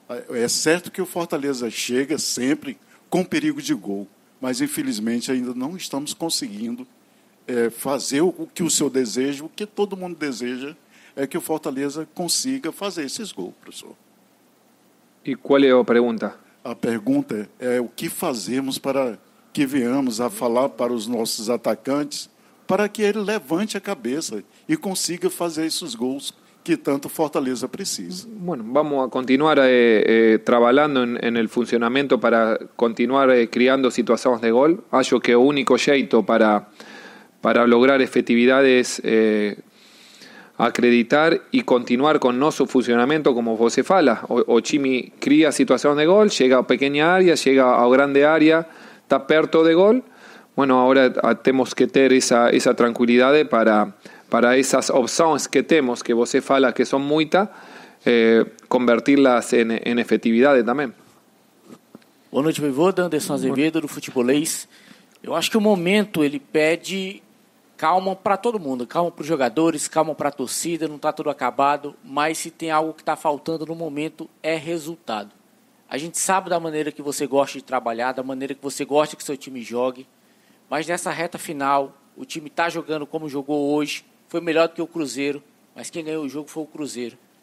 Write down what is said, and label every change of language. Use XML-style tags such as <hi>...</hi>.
<pt>É certo que o Fortaleza chega sempre com perigo de gol, mas, infelizmente, ainda não estamos conseguindo fazer o que o senhor deseja, o que todo mundo deseja, é que o Fortaleza consiga fazer esses gols, professor. E qual é a pergunta? A pergunta é o que fazemos para que venhamos a falar para os nossos atacantes para que ele levante a cabeça e consiga fazer esses gols que tanto Fortaleza precisa.</pt> <es>Bueno, vamos a continuar trabajando en el funcionamiento para continuar creando situaciones de gol. Acho que el único jeito para lograr efectividad es acreditar y continuar con nuestro funcionamiento, como vos se fala. Ochimi cría situaciones de gol, llega a pequeña área, llega a grande área, está perto de gol. Bueno, ahora tenemos que tener esa tranquilidad para esas opciones que tenemos, que vos fala que son muchas, convertirlas en efectividad también.</es> <pt>Boa noite, Voivoda. Anderson Azevedo, do Futebolês. Eu acho que o momento ele pede calma para todo mundo, calma para os jogadores, calma para a torcida, não está tudo acabado, mas se tem algo que está faltando no momento é resultado. A gente sabe da maneira que você gosta de trabalhar, da maneira que você gosta que seu time jogue, mas nessa reta final, o time está jogando como jogou hoje, foi melhor do que o Cruzeiro, mas quem ganhou o jogo foi o Cruzeiro.</pt>